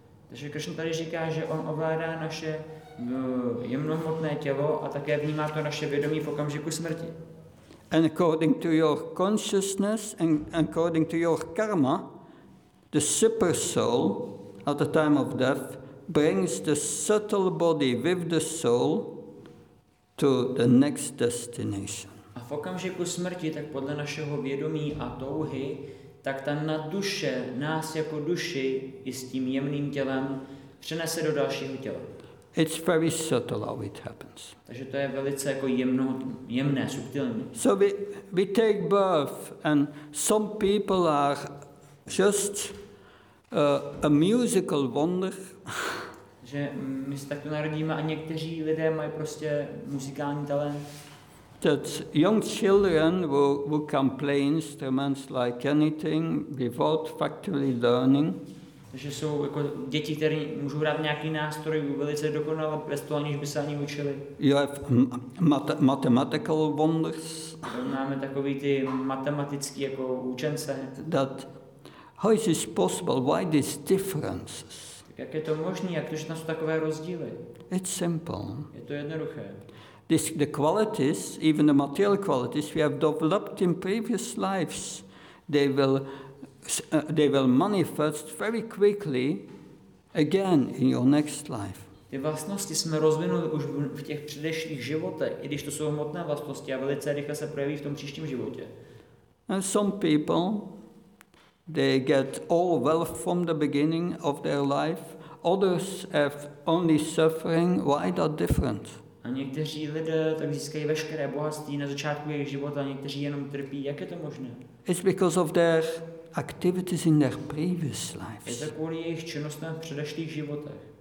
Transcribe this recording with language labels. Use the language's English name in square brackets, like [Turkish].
[Czech] Takže Krishna tady říká, že on ovládá naše jemnohmotné tělo a také vnímá to naše vědomí v okamžiku smrti. [English] And according to your consciousness and according to your karma, the super soul at the time of death brings the subtle body with the soul to the next destination. [Czech] A v okamžiku smrti, tak podle našeho vědomí a touhy, tak ta naduše nás jako duši i s tím jemným tělem přenese do dalšího těla. [English] It's very subtle how it happens. [Czech] Takže to je velice jako jemné, subtilní. [English] So we take birth and some people are just a musical wonder. [Czech] Že my se takto narodíme a někteří lidé mají prostě muzikální talent. [English] That young children who can play instruments like anything without factually learning. [Czech] Že jsou jako děti, které můžou hrát nějaký nástroj velice dokonale, bez toho aniž by se ani učili. [English] You have mathematical wonders. [Czech] Máme takový ty matematický jako učence. [English] That how is this possible? Why these differences? [Czech] Jak je to možné? Jak to, že tam jsou takové rozdíly? [English] It's simple. [Czech] Je to jednoduché. [English] The qualities, even the material qualities, we have developed in previous lives, they will manifest very quickly again in your next life. [Czech] Ty vlastnosti jsme rozvinuli už v těch předešlých životech, i když to jsou hmotné vlastnosti a velice rychle se projeví v tom příštím životě. [English] And some people, they get all wealth from the beginning of their life. Others have only suffering. Why that different? [Czech] A někteří lidé tak získají veškeré bohatství na začátku jejich života, a někteří jenom trpí. Jak je to možné? [English] It's because of their activities in their previous lives. [Czech] Je to kvůli jejich činnostem v předešlých životech.